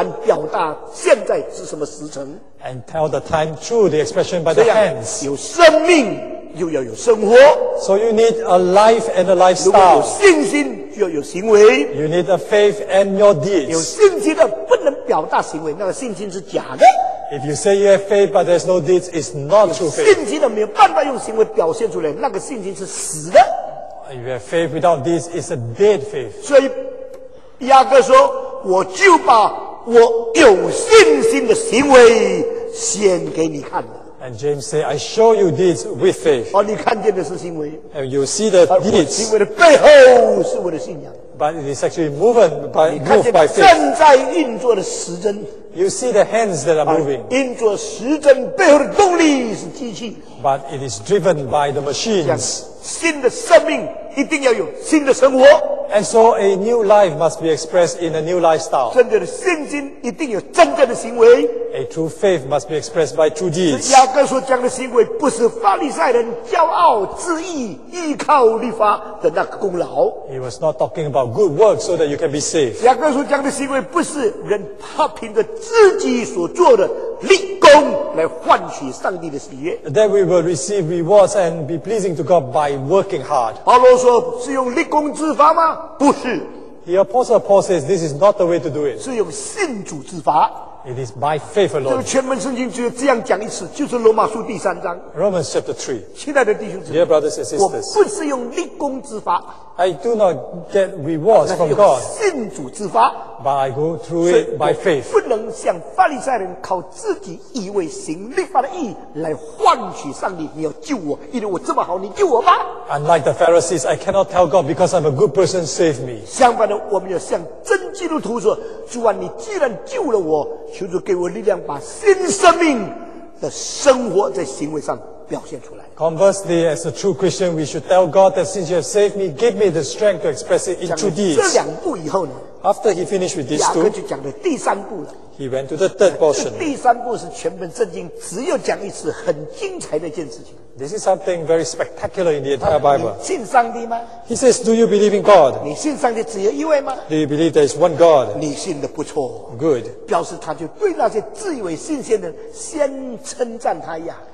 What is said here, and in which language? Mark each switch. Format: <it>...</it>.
<zh>时间的进度就透过指针的运转表达现在是什么时辰。</zh> <en>And tell the time through the expression by the hands.</en> <zh>有生命又要有生活。</zh> <en>So you need a life and a lifestyle.</en> <zh>如果有信心就要有行为。</zh> <en>You need a faith and your deeds.</en> <zh>有信心的不能表达行为, 那个信心是假的。</zh> <en>If you say you have faith but there's no deeds, it's not true faith.</en> <zh>信心的没有办法用行为表现出来, 那个信心是死的。</zh> <en>If you have faith without deeds, it's a dead faith.</en> <zh>所以雅各说, 我就把 我有信心的行为先给你看。</zh> <en>And James said, I show you deeds with faith.</en> <zh>而你看见的是行为。</zh> <en>And you see the deeds.</en> <zh>行为的背后是我的信仰。</zh> <en>But it is actually moved by faith.</en> <zh>正在运作的时针。</zh> <en>You see the hands that are moving.</en> <zh>运作时针背后的动力是机器。</zh> <en>But it is driven by the machines.</en> <zh>新的生命。一定要有新的生活。</zh> <en>And so a new life must be expressed in a new lifestyle.</en> <zh>真正的信心一定有真正的行为。</zh> <en>A true faith must be expressed by true deeds.</en> <zh>雅各所讲的行为不是法利赛人骄傲自义依靠律法的那个功劳。</zh> <en>He was not talking about good works so that you can be saved.</en> <zh>雅各所讲的行为不是人他凭着自己所做的立功来换取上帝的喜悦。</zh> <en>That we will receive rewards and be pleasing to God by working hard.</en> <zh>保罗说是用立功自罚吗？不是。</zh> <en>The apostle Paul says this is not the way to do it.</en> <zh>是用信主自罚。</zh> <en>It is by faith alone.</en> <zh>这个全文圣经只有这样讲一次，就是罗马书第三章。</zh> <en>Romans chapter 3.</en> <zh>亲爱的弟兄姊妹。</zh> <en>Dear brothers and sisters.</en> <zh>我不是用立功自罚。</zh> <en>I do not get rewards from God.</en> <zh>信主自罚。</zh> <en>But I go through it by faith.</en> <zh>不能像法利赛人靠自己以为行律法的义来换取上帝，你要救我，因为我这么好，你救我吧。</zh> <en>Unlike the Pharisees, I cannot tell God because I'm a good person, save me.</en> <zh>相反的，我们要像真基督徒说，主啊，你既然救了我，求主给我力量，把新生命的生活在行为上表现出来。</zh> <en>Conversely, as a true Christian, we should tell God that since you have saved me, give me the strength to express it in true deeds.</en> <zh>这两步以后呢？</zh> <en>After he finished with these two,</en> <zh>雅各就讲了第三步了。</zh> <en>He went to the third portion.</en> <zh>第三步是全本圣经只有讲一次很精彩的一件事情。</zh> <en>This is something very spectacular in the entire Bible.</en> <zh>你信上帝吗？</zh> <en>He says, do you believe in God?</en> <zh>你信上帝只有一位吗？</zh> <en>Do you believe there is one God?</en> <zh>你信得不错。</zh> <en>Good.</en> <zh>表示他就对那些自以为信心的先称赞他一样。</zh>